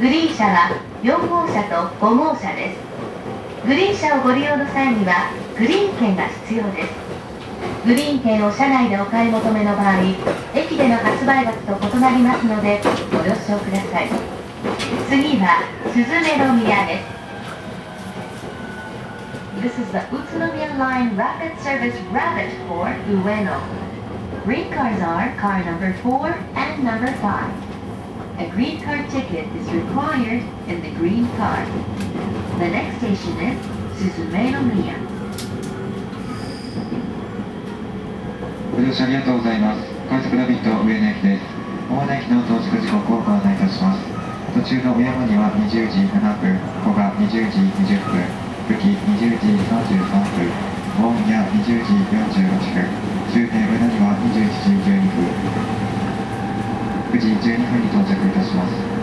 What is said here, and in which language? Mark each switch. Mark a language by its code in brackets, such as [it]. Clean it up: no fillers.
[ja] グリーン車は4号車と5号車です。グリーン車をご利用の際にはグリーン券が必要です。グリーン券を車内でお買い求めの場合、駅での発売額と異なりますのでご了承ください。次は Suzumenomiya です。 [en] This is the Utsunomiya Line Rapid Service Rabbit for Ueno. Green cars are car number 4 and number 5. A green car ticket is required in the green car. The next station is Suzumenomiya. [ja] ご乗車ありがとうございます。快速ラビット上野駅です。大野駅の到着時刻をご案内いたします。途中の小山には20時7分、古賀20時20分、久喜20時33分、大宮20時46分、終点上野には21時12分、9時12分に到着いたします。